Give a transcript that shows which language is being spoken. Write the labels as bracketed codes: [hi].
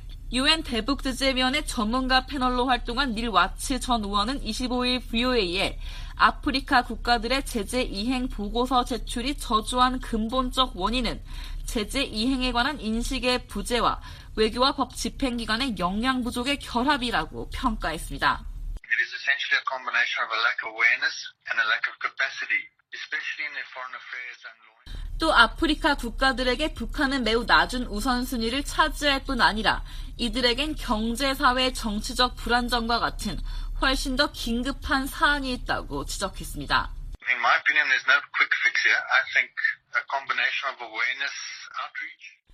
[ko] 유엔 대북제재위원회 전문가 패널로 활동한 닐 와츠 전 의원은 25일 VOA에 아프리카 국가들의 제재 이행 보고서 제출이 저조한 근본적 원인은 제재 이행에 관한 인식의 부재와 외교와 법 집행기관의 역량 부족의 결합이라고 평가했습니다. [en] It is essentially a combination of a lack of awareness and a lack of capacity, especially in the foreign affairs and law. [ko] 또 아프리카 국가들에게 북한은 매우 낮은 우선순위를 차지할 뿐 아니라 이들에겐 경제, 사회, 정치적 불안정과 같은 훨씬 더 긴급한 사안이 있다고 지적했습니다. [en] In my opinion, there's no quick fix here. I think a combination of awareness outreach.